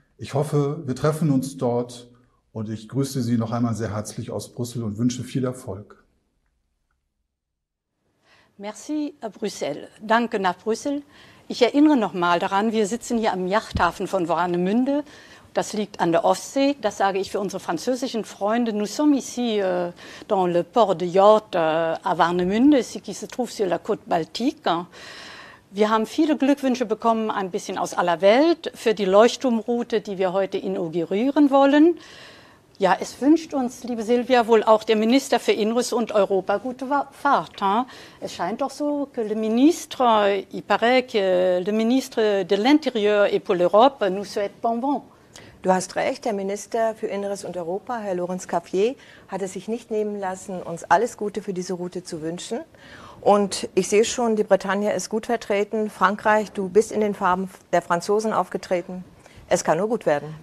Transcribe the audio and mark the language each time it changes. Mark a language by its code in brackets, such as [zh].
[de] Ich hoffe, wir treffen uns dort und ich grüße Sie noch einmal sehr herzlich aus Brüssel und wünsche viel Erfolg. [fr] Merci à Bruxelles. [de] Danke nach Brüssel. Ich erinnere nochmal daran, wir sitzen hier am Yachthafen von Warnemünde. Das liegt an der Ostsee. Das sage ich für unsere französischen Freunde. [fr] Nous sommes ici dans le port de Yacht à Warnemünde, qui se trouve sur la côte baltique. [de] Wir haben viele Glückwünsche bekommen, ein bisschen aus aller Welt, für die Leuchtturmroute, die wir heute inaugurieren wollen. Ja, es wünscht uns, liebe Silvia, wohl auch der Minister für Inneres und Europa gute Fahrt. Hein? Es scheint doch so, [fr] que le ministre, il paraît que le ministre de l'Intérieur et pour l'Europe nous souhaite bon vent. [de] Du hast recht, der Minister für Inneres und Europa, Herr Lorenz Cafier, hat es sich nicht nehmen lassen, uns alles Gute für diese Route zu wünschen. Und ich sehe schon, die Bretagne ist gut vertreten. Frankreich, du bist in den Farben der Franzosen aufgetreten. Es kann nur gut werden.